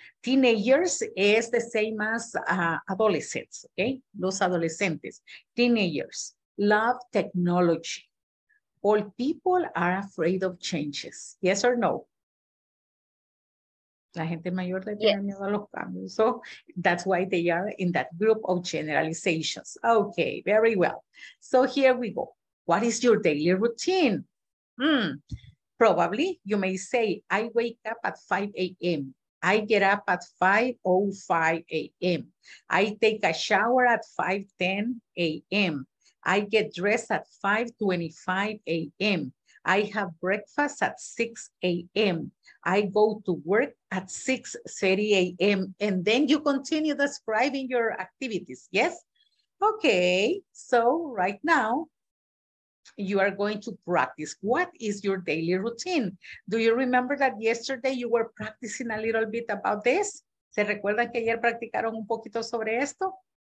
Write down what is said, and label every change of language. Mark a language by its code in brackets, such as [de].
[en] Teenagers is the same as adolescents, okay? [es] Los adolescentes. [en] Teenagers love technology. Old people are afraid of changes. Yes or no? [es] La gente mayor le tiene miedo a los cambios. [en] So that's why they are in that group of generalizations. Okay, very well. So here we go. What is your daily routine? Probably you may say, I wake up at 5 a.m. I get up at 5:05 a.m. I take a shower at 5:10 a.m. I get dressed at 5:25 a.m. I have breakfast at 6 a.m. I go to work at 6:30 a.m. And then you continue describing your activities. Yes? Okay. So right now, you are going to practice. What is your daily routine? Do you remember that yesterday you were practicing a little bit about this? [es] ¿Se recuerdan que ayer practicaron un poquito sobre esto?